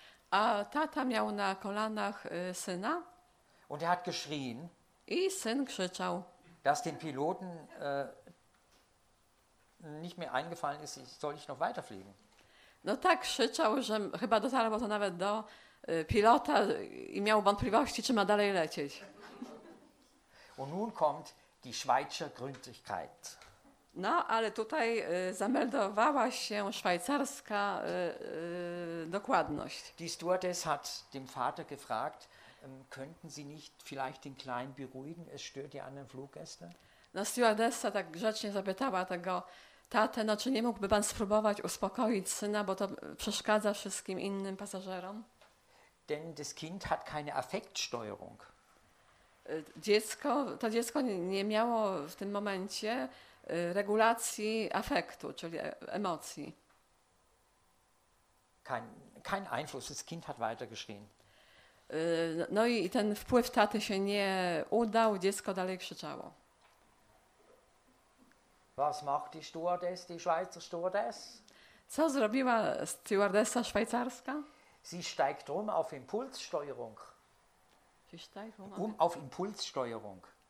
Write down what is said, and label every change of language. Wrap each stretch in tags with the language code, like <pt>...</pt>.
<pl>A tata miał na kolanach syna.</pl> <de>Und er hat geschrien.</de> <pl>I syn krzyczał.</pl> <de>Dass den Piloten nicht mehr eingefallen ist, soll ich noch weiterfliegen?</de> <pl>No tak krzyczał, że chyba dotarło to nawet do pilota i miał wątpliwości, czy ma dalej lecieć.</pl> <de>Und nun kommt die Schweizer Gründlichkeit.</de> <pl>No, ale tutaj zameldowała się szwajcarska dokładność.</pl> <de>Die Stewardess hat dem Vater gefragt, könnten Sie nicht vielleicht den Kleinen beruhigen, es stört die anderen Fluggäste?</de> <pl>No, stewardessa tak grzecznie zapytała tego tatę, no, czy nie mógłby pan spróbować uspokoić syna, bo to przeszkadza wszystkim innym pasażerom?</pl> <de>Denn das Kind hat keine Affektsteuerung.</de> <pl>dziecko, to dziecko nie miało w tym momencie regulacji afektu, czyli emocji.</pl> <de>Kein Einfluss, das Kind hat weiter geschrien.</de> <pl>No i ten wpływ taty się nie udał, dziecko dalej krzyczało.</pl> <de>Was macht die Stewardess, die Schweizer Stewardess?</de> <pl>Co zrobiła stewardessa szwajcarska?</pl> <de>Sie steigt um auf Impulssteuerung. Sie steigt um auf Impulssteuerung.</de>